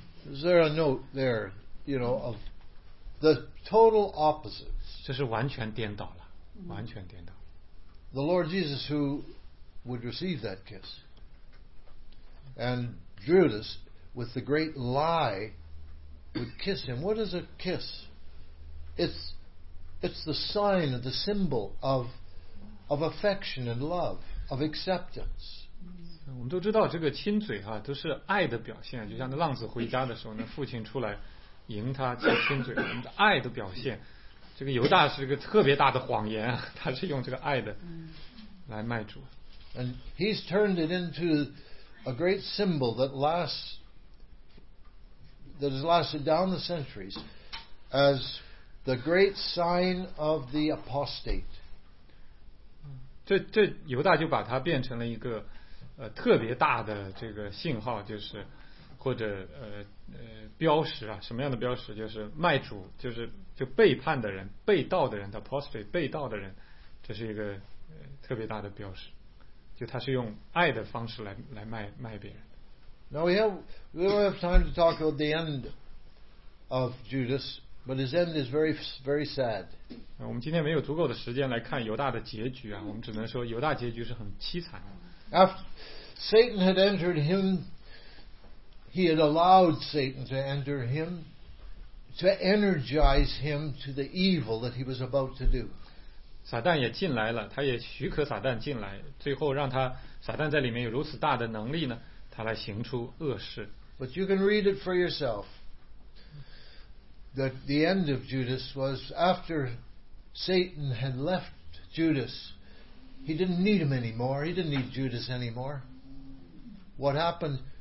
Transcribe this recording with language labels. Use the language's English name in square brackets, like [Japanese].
[English] Is there a note there, you know, of The total opposites. [Chinese] 这是完全颠倒了，完全颠倒。 [English] The Lord Jesus who would receive that kiss, and Judas with the great lie would kiss him. What is a kiss? It's the sign of the symbol of affection and love, of acceptance. [Chinese] 我们都知道这个亲嘴哈，都是爱的表现。就像那浪子回家的时候，那父亲出来。迎他去亲嘴，我们的爱的表现。这个犹大是一个特别大的谎言啊，他是用这个爱的来卖主。 [English] And he's turned it into a great symbol that has lasted down the centuries as the great sign of the apostate. [Chinese] 这犹大就把它变成了一个特别大的这个信号，就是。或者标识啊，什么样的标识？就是卖主，就背叛的人，背道的人 ，apostate 背道的人，这是一个特别大的标识。就他是用爱的方式来卖别人。 [English] Now we don't have time to talk about the end of Judas, but his end is very very sad. [Chinese] 我们今天没有足够的时间来看犹大的结局啊，我们只能说犹大结局是很凄惨。 [English] After Satan had entered him, he had allowed Satan to enter him, to energize him to the evil that he was about to do. [Chinese] 撒旦也进来了，他也许可撒旦进来，最后让他撒旦在里面有如此大的能力呢，他来行出恶事。 [English] But you can read it for yourself. That the end of Judas was after Satan had left Judas. He didn't need him anymore. He didn't need Judas anymore. What happened?